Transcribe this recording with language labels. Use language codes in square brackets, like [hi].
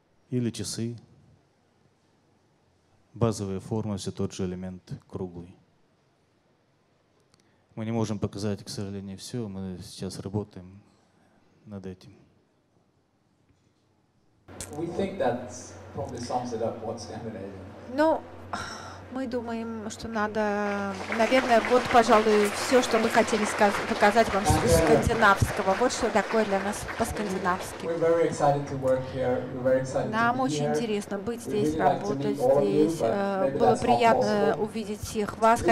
[ru] Или часы. Базовая форма, все тот же элемент, круглый. Мы не можем показать, к сожалению, все. Мы сейчас работаем над этим. [en] We think that probably sums it up what's Scandinavian. [ru] Ну, мы думаем, что надо, наверное, вот, пожалуй, все, что мы хотели показать вам из скандинавского. Вот что такое для нас по-скандинавски. Нам очень интересно быть здесь, работать здесь. Было приятно увидеть всех вас.